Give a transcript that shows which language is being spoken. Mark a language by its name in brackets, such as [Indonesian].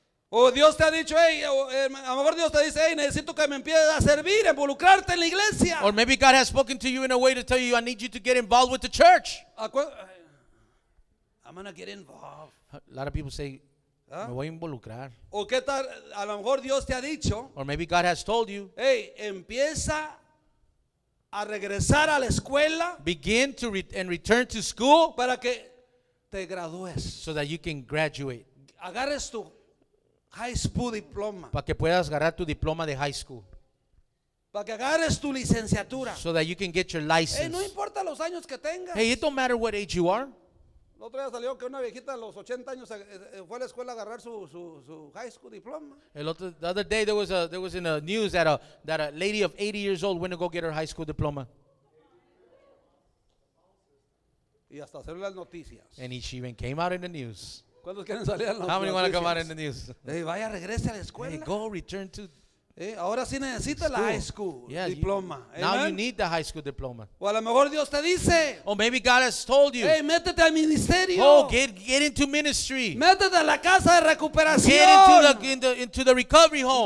[Spanish] O Dios te ha dicho, hey, a lo mejor Dios te dice, hey, necesito que me empieces a servir, involucrarte en la iglesia. [English] Or maybe God has spoken to you in a way to tell you, I need you to get involved with the church. I'm going to get involved. A lot of people say, [Spanish] me voy a involucrar. O qué tal, a lo mejor Dios te ha dicho, [English] or maybe God has told you, [Spanish] hey, empieza a regresar a la escuela. [English] Begin to return to school. [Spanish] Para que te gradúes. [English] So that you can graduate. [Spanish] Agarres tu [English] high school diploma. [Spanish] Para que puedas agarrar tu diploma de [English] high school. [Spanish] Para que agarres tu licenciatura. [English] So that you can get your license. [Spanish] Hey, no importa los años que tengas. [English] Hey, it don't matter what age you are. [Spanish] El otro día salió que una viejita a los 80 años fue a la escuela a agarrar su [English] high school diploma. The other day there was in the news that a lady of 80 years old went to go get her high school diploma. [Spanish] Y hasta hacer las noticias. [English] And she even came out in the news. [Spanish] ¿Cuántos quieren salir a los [English] how many want to come out in the news? [Spanish] Hey, vaya, regrese a la escuela. [English] Hey, go return to. [Spanish] Hey, ahora sí necesita la [English] high school diploma. Now you need the high school diploma. [Spanish] O a lo mejor Dios te dice. [English] Or maybe God has told you. [Spanish] Hey, métete al ministerio. [English] Oh, get into ministry. [Spanish] Métete a la casa de recuperación. [English] Get into the recovery home.